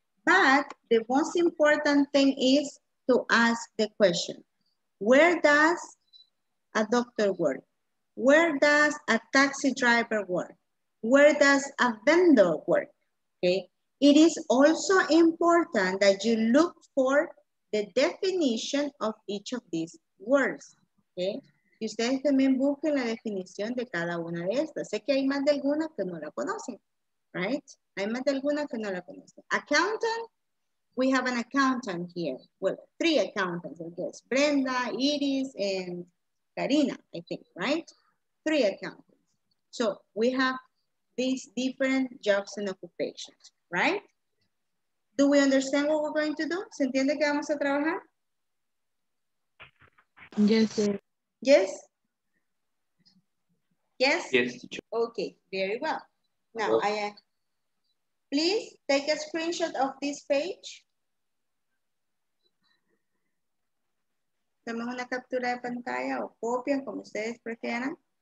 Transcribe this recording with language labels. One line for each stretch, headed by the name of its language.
English: But the most important thing is to ask the question, where does a doctor work? Where does a taxi driver work? Where does a vendor work? Okay. It is also important that you look for the definition of each of these words. Okay.
Spanish: Y ustedes también busquen la definición de cada una de estas. Sé que hay más de alguna que no la conocen. Right? Hay más de alguna que no la conocen.
English: Accountant. We have an accountant here. Well, three accountants, I guess. Brenda, Iris, and Karina, I think, right? Three accountants. So we have these different jobs and occupations, right? Do we understand what we're going to do?
Spanish: ¿Se entiende que vamos a trabajar?
English: Yes. Yes? Yes? Yes, teacher. Okay, very well. Now, well, please take a screenshot of this page.
Spanish: Tomen una captura de pantalla o copien como ustedes prefieran.